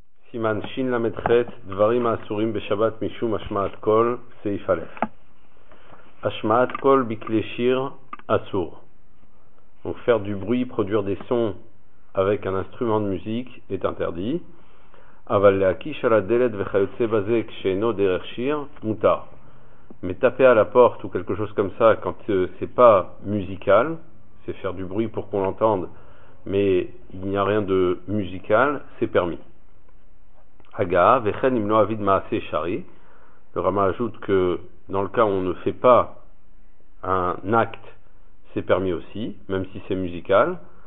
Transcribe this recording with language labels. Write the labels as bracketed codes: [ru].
[he] סימן שלמ"ח, דברים האסורים בשבת משום השמעת קול, סעיף א'. השמעת קול בכלי שיר אסור. [fr] Donc faire du bruit, produire des sons avec un instrument de musique est interdit. [he] אבל להקיש על הדלת וכיוצא בזה כשאינו דרך שיר, מותר. [fr] Mais taper à la porte ou quelque chose comme ça quand c'est pas musical, c'est faire du bruit pour qu'on l'entende, mais il n'y a rien de musical, c'est permis. [he] Aga, vechen imno avid maase shari. [fr] Le Rama ajoute que dans le cas où on ne fait pas un acte, c'est permis aussi, même si c'est musical.